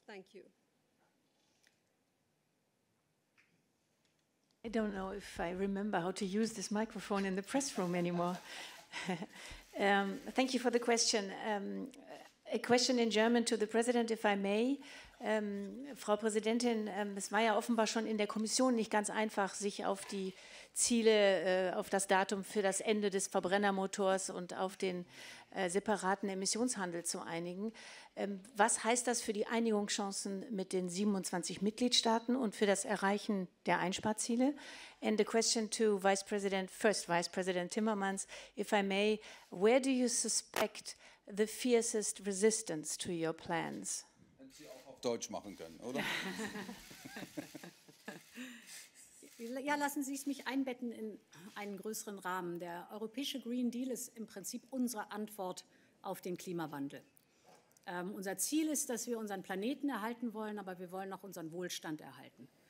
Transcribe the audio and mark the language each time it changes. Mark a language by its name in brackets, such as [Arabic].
[English] Thank you. I don't know if I remember how to use this microphone in the press room anymore. thank you for the question. A question in German to the President, if I may. [German] Frau Präsidentin, es war ja offenbar schon in der Kommission nicht ganz einfach, sich auf die Ziele, auf das Datum für das Ende des Verbrennermotors und auf den separaten Emissionshandel zu einigen. Was heißt das für die Einigungschancen mit den 27 Mitgliedstaaten und für das Erreichen der Einsparziele? [English] And the question to Vice President, first Vice President Timmermans, if I may, where do you suspect the fiercest resistance to your plans? [German] Wenn Sie auch auf Deutsch machen können, oder? Ja, lassen Sie es mich einbetten in einen größeren Rahmen. Der europäische Green Deal ist im Prinzip unsere Antwort auf den Klimawandel. Unser Ziel ist, dass wir unseren Planeten erhalten wollen, aber wir wollen auch unseren Wohlstand erhalten.